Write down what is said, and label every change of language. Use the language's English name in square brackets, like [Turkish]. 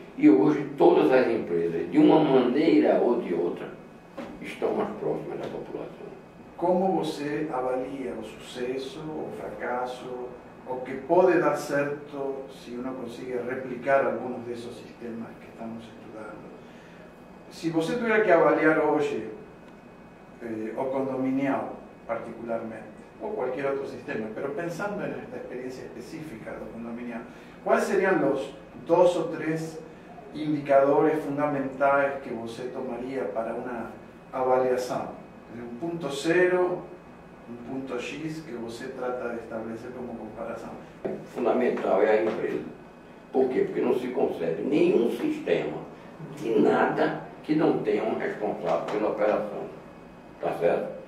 [Portuguese] E hoje todas as empresas, de uma maneira ou de outra, estão mais próximas da população. Como você avalia o sucesso, o fracasso, o que pode dar certo [Spanish] se uno consigue replicar algunos de esos sistemas que estamos estudiando? Si você tuviera que avaliar hoy o condominial particularmente, o cualquier otro sistema, pero pensando en esta experiencia específica del condominial, ¿cuáles serían los dos o tres indicadores fundamentales que você tomaría para una avaliación? Un punto cero, [Portuguese] um ponto X que você trata de estabelecer como comparação. Fundamental é a empresa. Por quê? Porque não se concebe nenhum sistema de nada que não tenha um responsável pela operação. Tá certo?